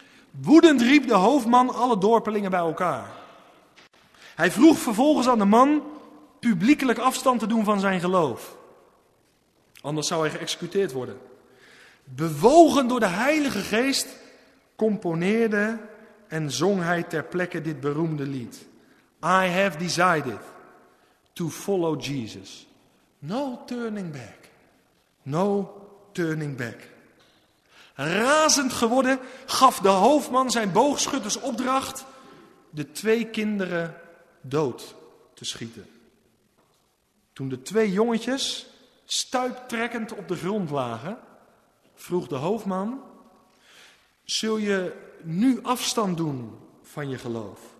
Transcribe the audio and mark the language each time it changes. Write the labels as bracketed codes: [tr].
[nl] Woedend riep de hoofdman alle dorpelingen bij elkaar. Hij vroeg vervolgens aan de man publiekelijk afstand te doen van zijn geloof. Anders zou hij geëxecuteerd worden. Bewogen door de Heilige Geest componeerde en zong hij ter plekke dit beroemde lied. [en] I have decided to follow Jesus. No turning back. No turning back. [nl] Razend geworden gaf de hoofdman zijn boogschutters opdracht de twee kinderen dood te schieten. Toen de twee jongetjes stuiptrekkend op de grond lagen, vroeg de hoofdman: zul je nu afstand doen van je geloof?